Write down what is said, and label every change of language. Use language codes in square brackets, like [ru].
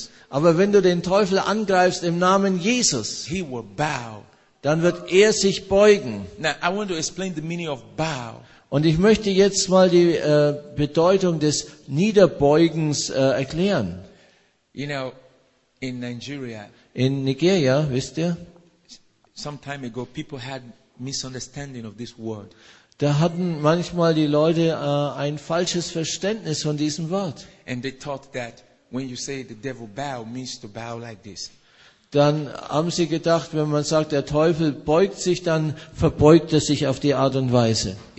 [de] Aber wenn du den Teufel angreifst im Namen Jesus, dann wird er sich beugen. [en] Now, I want to explain the meaning of bow. [de] Und ich möchte jetzt mal die Bedeutung des Niederbeugens erklären. [en] You know, in Nigeria, [de] wisst ihr? [en] Some time ago, people had misunderstanding of this word. [de] Da hatten manchmal die Leute ein falsches Verständnis von diesem Wort. [en] And they thought that when you say the devil bow means to bow like this. [de] Dann haben sie gedacht, wenn man sagt, der Teufel beugt sich, dann verbeugt er sich auf die Art und Weise.